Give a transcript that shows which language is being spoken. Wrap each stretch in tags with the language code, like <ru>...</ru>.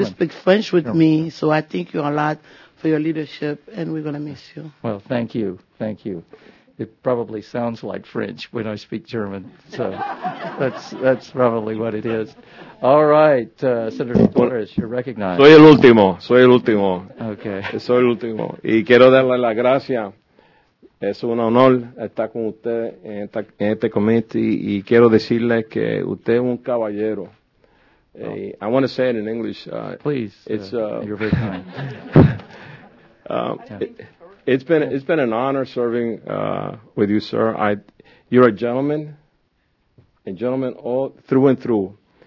<en>You speak French with German. Me, so I thank you a lot for your leadership, and we're going to miss you. Well, thank you. Thank you. It probably sounds like French when I speak German, so that's probably what it is. All right, Senator Torres, you're recognized.</en> <es>Soy el último, soy el último.</es> <en>Okay.</en> <es>Soy el último. Y quiero darle las gracias. Es un honor estar con usted en este comité, y quiero decirle que usted es un caballero.</es> <en>I want to say it in English. Please. It's, you're very kind. It's been an honor serving with you, sir. You're a gentleman, all through and through.</en>